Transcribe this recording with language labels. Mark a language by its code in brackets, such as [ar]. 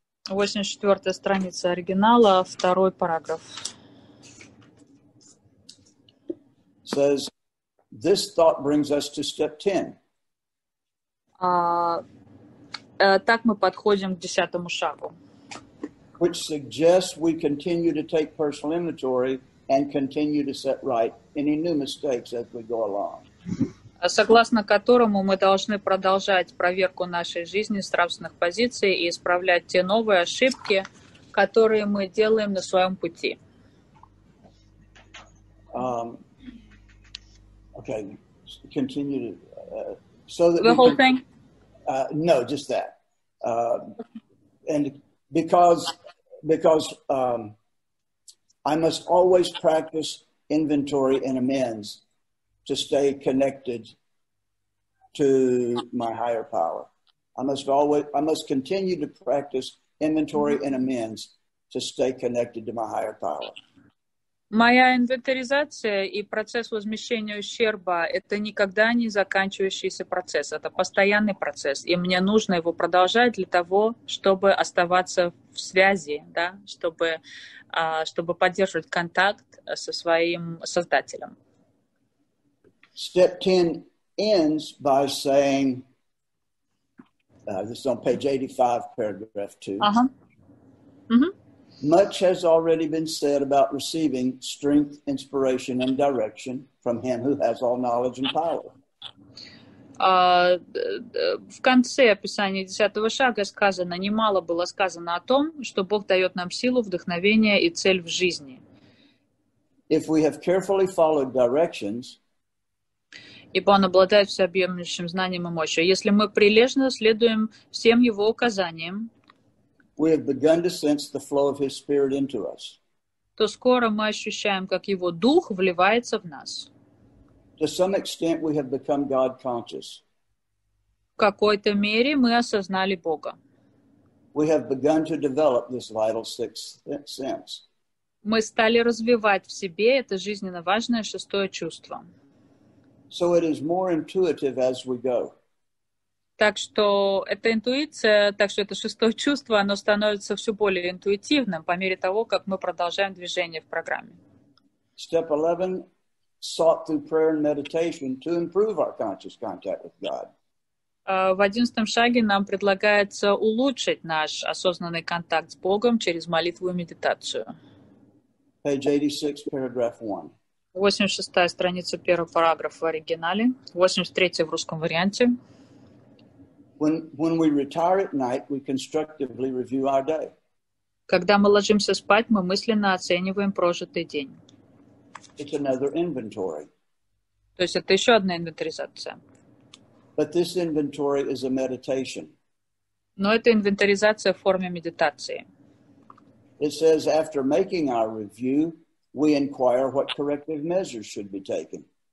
[ru] 84-я страница оригинала, второй параграф. [en] Says, this thought brings us to step 10. [ru] Так мы подходим к десятому шагу. [en] Which suggests we continue to take personal inventory and continue to set right any new mistakes as we go along. [ru] Согласно которому мы должны продолжать проверку нашей жизни с нравственных позиций и исправлять те новые ошибки, которые мы делаем на своем пути. [en] Okay, continue to, so that the whole can, thing? No, just that. And because I must always practice inventory and amends to stay connected to my higher power. I must continue to practice inventory and amends to stay connected to my higher power. [ru] Моя инвентаризация и процесс возмещения ущерба – это никогда не заканчивающийся процесс. Это постоянный процесс, и мне нужно его продолжать для того, чтобы оставаться в связи, да, чтобы поддерживать контакт со своим создателем. [en] Step 10 ends by saying, this is on page 85, paragraph 2. Uh-huh. Mm-hmm. Much has already been said about receiving strength, inspiration, and direction from him who has all knowledge and power. [ru] В конце описания 10 шага сказано, немало было сказано о том, что Бог дает нам силу, вдохновение и цель в жизни. [en] If we have carefully followed directions, [ru] ибо он обладает всеобъемлющим знанием и мощью, если мы прилежно следуем всем его указаниям, [en] we have begun to sense the flow of his spirit into us. [ru] То скоро мы ощущаем, как его дух вливается в нас. [en] To some extent, we have become God conscious. [ru] В какой-то мере мы осознали Бога. [en] We have begun to develop this vital sixth sense. [ru] Мы стали развивать в себе это жизненно важное шестое чувство. [en] So it is more intuitive as we go. [ru] Так что эта интуиция, так что это шестое чувство, оно становится все более интуитивным по мере того, как мы продолжаем движение в программе. [en] Step 11 sought through prayer and meditation to improve our conscious contact with God. [ru] В 11-м шаге нам предлагается улучшить наш осознанный контакт с Богом через молитву и медитацию. [en] Page 86, paragraph 1. [ru] 86-я страница, первый параграф в оригинале, 83-я в русском варианте. [en] When we retire at night, we constructively review our day. [ru] Когда мы ложимся спать, мы мысленно оцениваем прожитый день. [en] It's another inventory. [ru] То есть это еще одна инвентаризация. [en] But this inventory is a meditation. [ru] Но это инвентаризация в форме медитации. [en] It says after making our review, we inquire what corrective measures should be taken.